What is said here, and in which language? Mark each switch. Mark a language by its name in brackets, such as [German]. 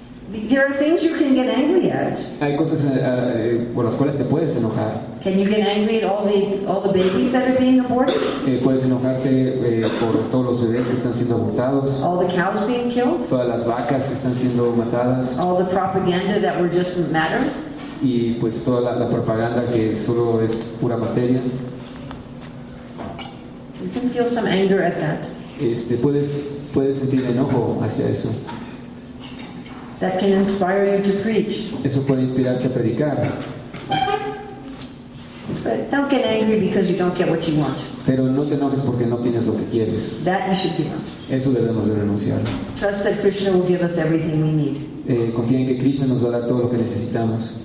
[English] There are things you can get angry at. [Spanish] Hay cosas por las cuales te puedes enojar. [English] Can you get angry at all the babies that are being aborted? [Spanish] Puedes enojarte por todos los bebés que están siendo abortados. [English] All the cows being killed? [Spanish] Todas las vacas que están siendo matadas. [English] All the propaganda that were just matter? [Spanish] Y pues toda la propaganda que solo es pura materia. [English] You can feel some anger at that. [Spanish] Puedes sentir enojo hacia eso. [English] That can inspire you to preach. [Spanish] Eso puede inspirarte a predicar. [English] But don't get angry because you don't get what you want. [Spanish] Pero no te enojes porque no tienes lo que quieres. [English] That you should give up. [Spanish] Eso debemos de renunciar. [English] Trust that Krishna will give us everything we need. [Spanish] Confía en que Krishna nos va a dar todo lo que necesitamos.